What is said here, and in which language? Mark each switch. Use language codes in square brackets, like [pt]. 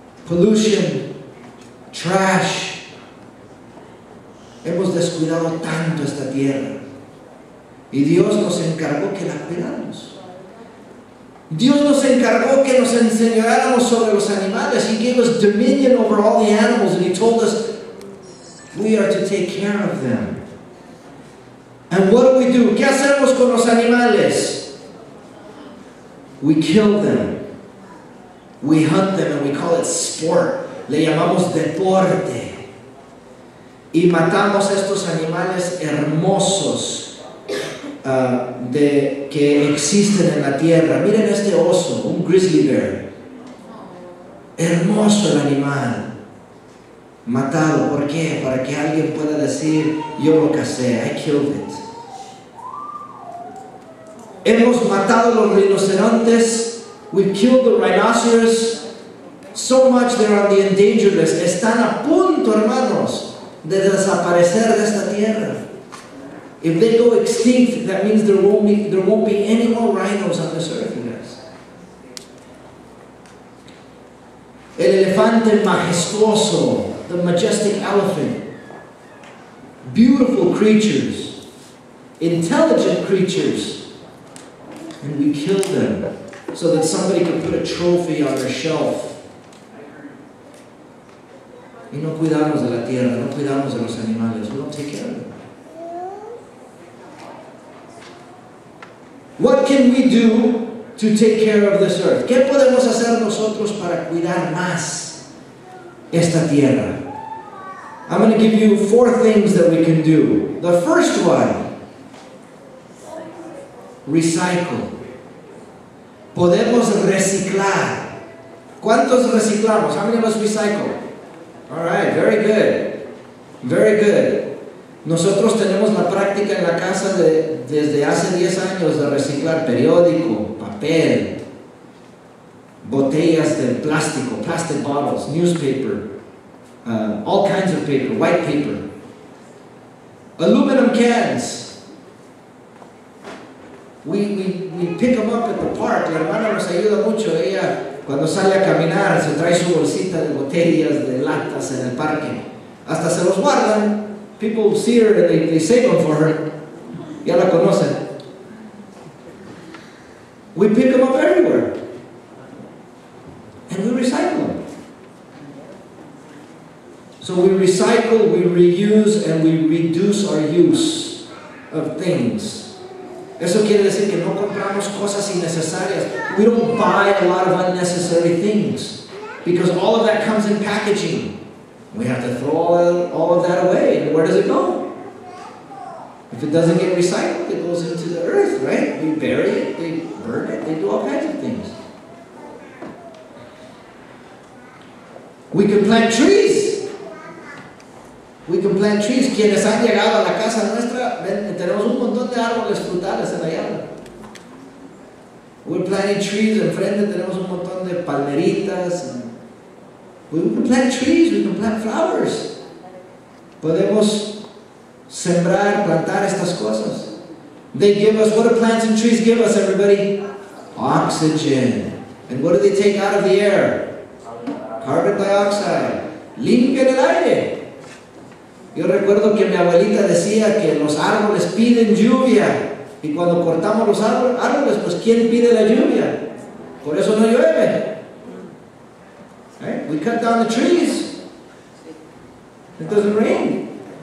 [en] pollution, trash. [es] Hemos descuidado tanto esta tierra y Dios nos encargó que la cuidáramos. Dios nos encargó que nos enseñáramos sobre los animales. [en] He gave us dominion over all the animals and he told us we are to take care of them. And what do we do? [es] ¿Qué hacemos con los animales? [en] We kill them. We hunt them and we call it sport. [es] Le llamamos deporte. Y matamos estos animales hermosos que existen en la tierra. Miren este oso, un grizzly bear. Hermoso el animal. Matado, ¿por qué? Para que alguien pueda decir, yo lo casé, [en] I killed it. [es] Hemos matado los rinocerontes. [en] We've killed the rhinoceros. So much they're on the endangered list. [es] Están a punto, hermanos, de desaparecer de esta tierra. [en] If they go extinct, that means there won't be any more rhinos on this earth, guys. [es] El elefante majestuoso, [en] the majestic elephant. Beautiful creatures, intelligent creatures. And we killed them so that somebody could put a trophy on their shelf. [es] Y no cuidamos de la tierra, no cuidamos de los animales. [en] We don't take care of them. What can we do to take care of this earth? [es] ¿Qué podemos hacer nosotros para cuidar más esta tierra? [en] I'm going to give you four things that we can do. The first one, recycle. [es] Podemos reciclar. ¿Cuántos reciclamos? [en] How many of us recycle? All right, very good. Very good. [es] Nosotros tenemos la práctica en la casa desde hace 10 años de reciclar periódico, papel, botellas de plástico, [en] plastic bottles, newspaper, all kinds of paper, white paper, aluminum cans. We pick them up at the park. [es] La hermana nos ayuda mucho. Ella, cuando sale a caminar, se trae su bolsita de botellas, de latas en el parque. Hasta se los guardan. [en] People see her and they save them for her. [es] Ya la conocen. [en] We pick them up everywhere. And we recycle. So we recycle, we reuse, and we reduce our use of things. [es] Eso quiere decir que no compramos cosas innecesarias. [en] We don't buy a lot of unnecessary things. Because all of that comes in packaging. We have to throw all of that away. And where does it go? If it doesn't get recycled, it goes into the earth, right? We bury it, they burn it, they do all kinds of things. We can plant trees. We can plant trees. [es] Quienes han llegado a la casa nuestra, ven, tenemos un montón de árboles frutales en la yarda. [en] We're planting trees. [es] Enfrente tenemos un montón de palmeritas. [en] We can plant trees. We can plant flowers. [es] Podemos sembrar, plantar estas cosas. [en] They give us, what do plants and trees give us, everybody? Oxygen. And what do they take out of the air? Carbon dioxide. [es] Limpian el aire. Yo recuerdo que mi abuelita decía que los árboles piden lluvia. Y cuando cortamos los árboles, pues ¿quién pide la lluvia? Por eso no llueve. Right? [en] We cut down the trees. It doesn't rain.